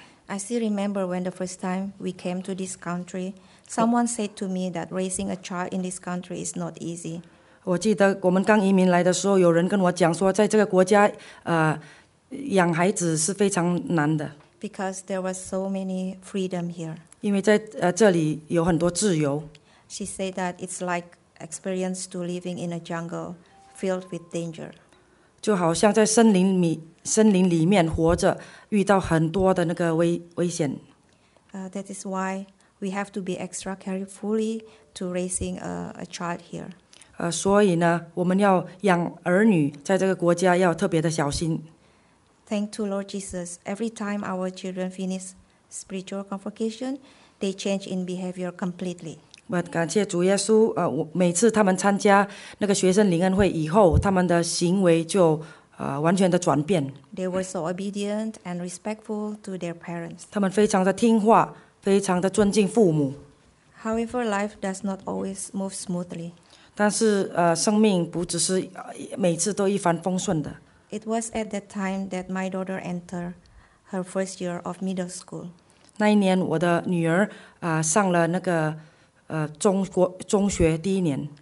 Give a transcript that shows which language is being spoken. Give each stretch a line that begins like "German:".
English: I still remember when the first time we came to this country, someone said to me that raising a child in this country is not easy.
Chinese: 我记得我们刚移民来的时候, 有人跟我讲说, 在这个国家, 养孩子是非常难的。
English: Because there was so many freedom here.
Chinese: 因为在, 这里有很多自由。
English: She said that it's like experience to living in a jungle filled with danger.
Chinese: 就好像在森林里, 森林里面活着, 遇到很多的那个危险。
English: That is why we have to be extra carefully to raising a child here.
Chinese: 所以呢, 我们要养儿女, 在这个国家要特别的小心。
English: Thank to Lord Jesus. Every time our children finish spiritual convocation, they change in behavior completely.
Chinese: 感谢主耶稣, 每次他们参加那个学生灵恩会以后, 他们的行为就, 完全的转变。
English: They were so obedient and respectful to their parents.
Chinese: 他们非常的听话, 非常的尊敬父母。
English: However, life does not always move smoothly.
Chinese: 但是, 生命不只是每次都一帆风顺的。
English: It was at that time that my daughter entered her first year of middle school.
Chinese: 那一年我的女儿, 上了那个, 中学第一年。